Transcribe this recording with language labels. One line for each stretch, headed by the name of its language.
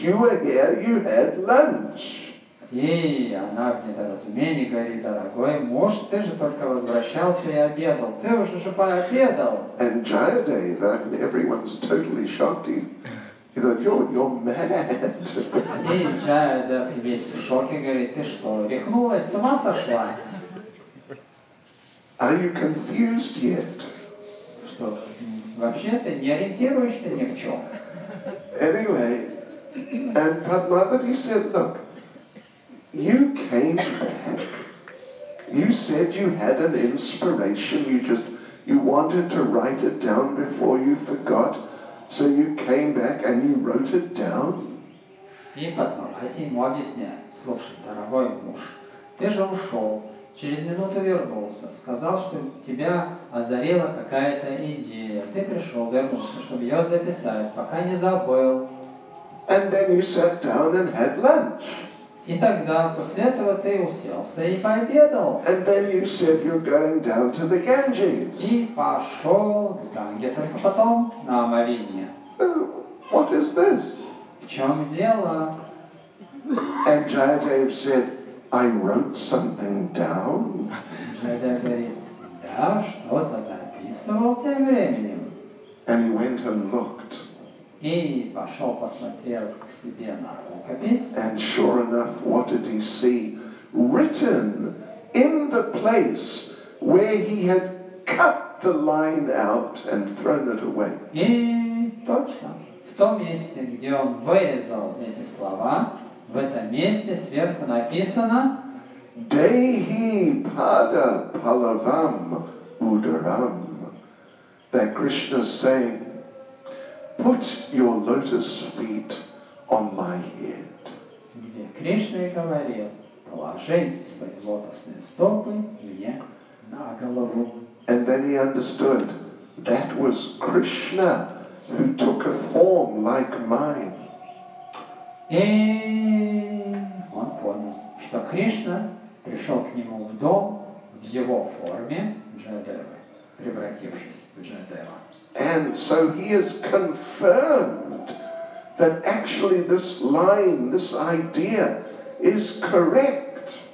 English: You were here, you had lunch.
Russian: И она в недоразумении говорит, дорогой муж, ты же только возвращался и обедал. Ты уже же пообедал.
English: And Jayadev, and everyone's totally shocked. He thought, you're mad.
Russian: И Jayadev весь в шоке говорит, ты что, рехнулась, с ума сошла?
English: Are you confused yet?
Russian: Что, вообще ты не ориентируешься ни в чем.
English: Anyway, and Padmavati said, look, you came back. You said you had an inspiration. You wanted to write it down before you forgot. So you came back and you wrote it down?
Russian: И потом хотя ему объяснять, слушай, дорогой муж, ты же ушел, через минуту вернулся, сказал, что тебя озарила какая-то идея. Ты пришел, вернулся, чтобы ее записать, пока не забыл.
English: And then you sat down and had lunch.
Russian: И тогда, после этого, ты уселся и пообедал.
English: And then you said you're going down to the Ganges.
Russian: И пошел к Ганге, только потом на омовение.
English: So, what is this?
Russian: В чем дело?
English: And Jayadev said, I wrote something down.
Russian: Джайдев говорит, да, что-то записывал тем временем.
English: And he went and looked.
Russian: И пошел посмотрел к себе на рукопись.
English: And sure enough, what did he see? Written in the place where he had cut the line out and thrown it away.
Russian: И точно. В том месте, где он вырезал эти слова, в этом месте сверху написано
Sanskrit: Dehi Pada Palavam Udaram.
English: That Krishna is saying, put your lotus feet on my head.
Russian: Где Кришна говорил, положить свои лотосные стопы мне на голову.
English: And then he understood that was Krishna who took a form like mine.
Russian: И он понял, что Кришна пришел к нему в дом в его форме Джайадевы, превратившись в Джайадеву.
English: And so he has confirmed that actually this line, this idea is correct.